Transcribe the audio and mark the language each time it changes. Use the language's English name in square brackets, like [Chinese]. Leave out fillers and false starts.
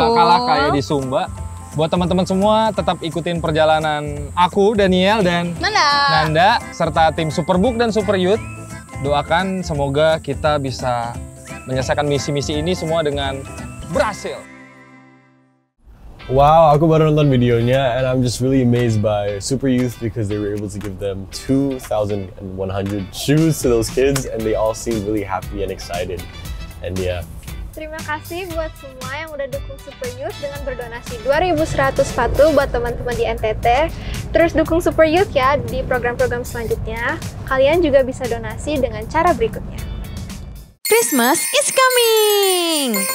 [Indonesian] Gak kalah kayak di Sumba. Buat teman-teman semua, tetap ikutin perjalanan aku, Daniel, dan Nanda, serta tim Superbook dan Super Youth. Doakan semoga kita bisa menyelesaikan misi-misi ini semua dengan berhasil. [English] Wow, [Indonesian] aku baru nonton videonya [English] and I'm just really amazed by Super Youth because they were able to give them 2,100 shoes to those kids and they all seem really happy and excited. And yeah. [Indonesian] Terima kasih buat semua yang udah dukung Super Youth dengan berdonasi 2,100 sepatu buat teman-teman di NTT. Terus dukung Super Youth ya di program-program selanjutnya. Kalian juga bisa donasi dengan cara berikutnya. [English] Christmas is coming!